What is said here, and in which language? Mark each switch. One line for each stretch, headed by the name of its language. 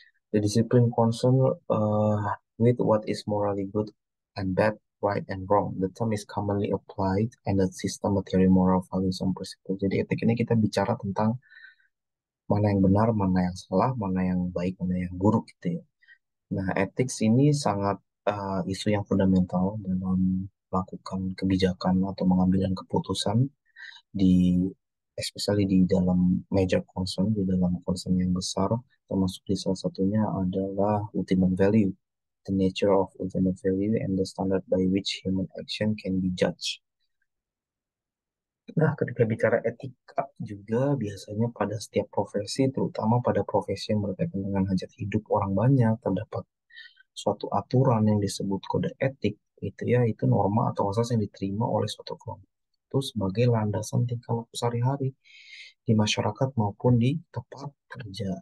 English: The discipline concern with what is morally good and bad, right and wrong. The term is commonly applied and the system of theory moral values and principles.
Indonesian: Jadi etik ini kita bicara tentang mana yang benar, mana yang salah, mana yang baik, mana yang buruk gitu ya. Nah, etik ini sangat isu yang fundamental dalam melakukan kebijakan atau mengambil keputusan di especially di dalam
English: major concern,
Indonesian: di dalam concern yang besar, termasuk di salah satunya adalah ultimate value.
English: The nature of ultimate value and the standard by which human action can be judged.
Indonesian: Nah, ketika bicara etika juga biasanya pada setiap profesi, terutama pada profesi yang berkaitan dengan hajat hidup orang banyak, terdapat suatu aturan yang disebut kode etik, itu ya, itu norma atau asas yang diterima oleh suatu kelompok itu sebagai landasan tingkah laku sehari-hari di masyarakat maupun di tempat kerja.